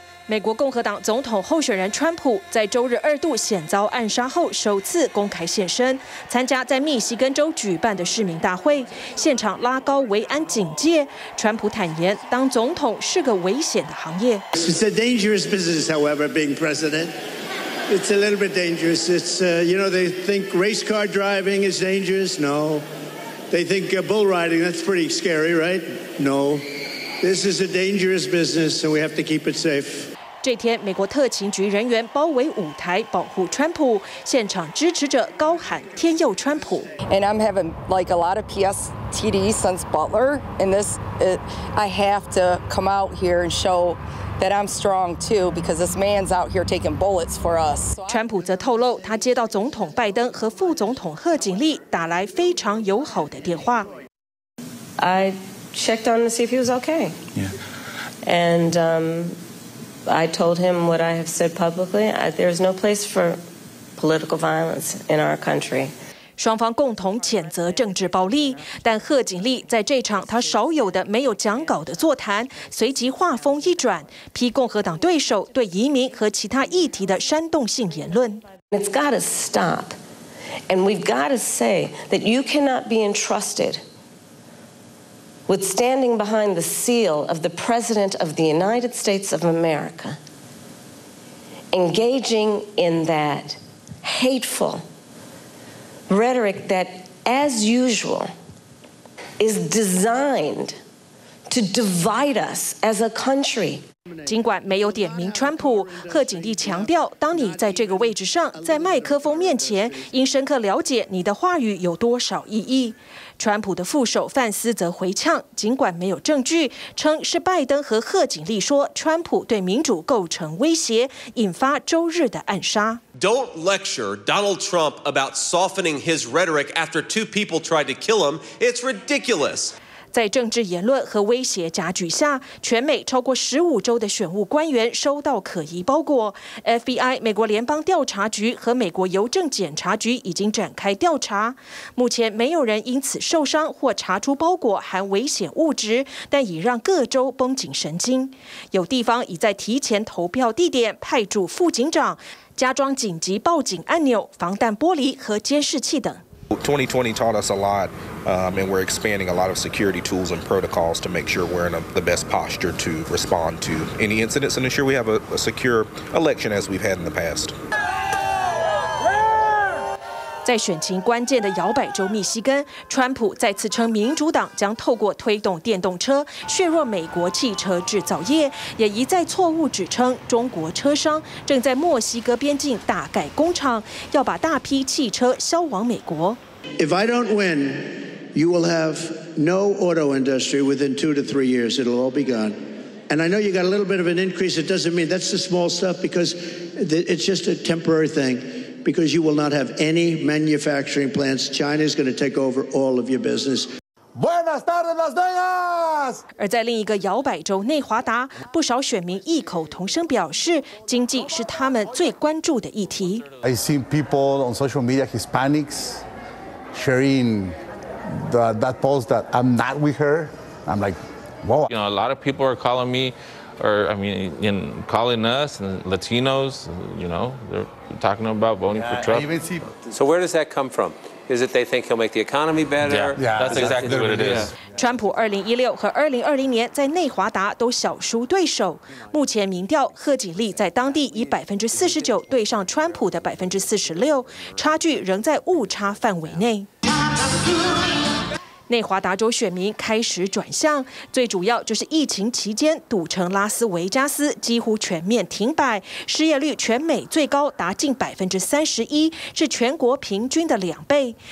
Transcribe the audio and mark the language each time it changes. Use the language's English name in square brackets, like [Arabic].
[Chinese] 美国共和党总统候选人川普在周日二度险遭暗杀后首次公开现身，参加在密西根州举办的市民大会，现场拉高维安警戒。川普坦言当总统是个危险的行业。 [English] It's a dangerous business, however, being president. It's a little bit dangerous. It's, you know, they think race car driving is dangerous. No. They think bull riding, that's pretty scary, right? No. This is a dangerous business, so we have to keep it safe. [Chinese] 这天，美国特勤局人员包围舞台，保护川普。现场支持者高喊“天佑川普 [English] ”，And I'm having like a lot of PTSD since Butler. And this, I have to come out here and show. That I'm strong too, because this man's out here taking bullets for us. [Chinese] 川普则透露，他接到总统拜登和副总统贺锦丽打来非常友好的电话。 [English] I checked on to see if he was okay. Yeah. And I told him what I have said publicly. There's no place for political violence in our country. [Chinese] 双方共同谴责政治暴力，但贺锦丽在这场他少有的没有讲稿的座谈，随即话锋一转，批共和党对手对移民和其他议题的煽动性言论。 [English] It's got to stop, and we've got to say that you cannot be entrusted with standing behind the seal of the President of the United States of America, engaging in that hateful. Rhetoric that, as usual, is designed to divide us as a country. [Chinese] 尽管没有点名川普，贺锦丽强调，当你在这个位置上，在麦克风面前，应深刻了解你的话语有多少意义。川普的副手范斯则回呛，尽管没有证据，称是拜登和贺锦丽说川普对民主构成威胁，引发周日的暗杀。 [English] Don't lecture Donald Trump about softening his rhetoric after two people tried to kill him. It's ridiculous. [Chinese] 在政治言论和威胁夹举下，全美超过15州的选务官员收到可疑包裹。 FBI 美国联邦调查局和美国邮政检察局已经展开调查。目前没有人因此受伤或查出包裹含危险物质，但已让各州绷紧神经。有地方已在提前投票地点派驻副警长，加装紧急报警按钮、防弹玻璃和监视器等。 [English] 2020 taught us a lot, and we're expanding a lot of security tools and protocols to make sure we're in the best posture to respond to any incidents and ensure we have a secure election as we've had in the past. [Chinese] 在选情关键的摇摆州密西根，川普再次称民主党将透过推动电动车削弱美国汽车制造业，也一再错误指称中国车商正在墨西哥边境大盖工厂，要把大批汽车销往美国。 [English] If I don't win, you will have no auto industry within 2 to 3 years. It'll all be gone. And I know you got a little bit of an increase. It doesn't mean that's the small stuff because it's just a temporary thing. Because you will not have any manufacturing plants. China is going to take over all of your business. [Spanish] Buenas tardes, las doñas! [Chinese] 而在另一个摇摆州内华达，不少选民异口同声表示，经济是他们最关注的议题。 [English] I see people on social media, Hispanics, sharing that post that I'm not with her. I'm like, whoa. You know, a lot of people are calling me. In calling us and Latinos, you know, they're talking about voting for Trump. So where does that come from? Is it they think he'll make the economy better? Yeah. That's exactly what it is. [Chinese] 川普2016和2020年在内华达都小输对手，目前民调贺锦丽在当地以49%对上川普的46%，差距仍在误差范围内。内华达州选民开始转向，最主要就是疫情期间赌城拉斯维加斯几乎全面停摆，失业率全美最高达近31%，是全国平均的2倍。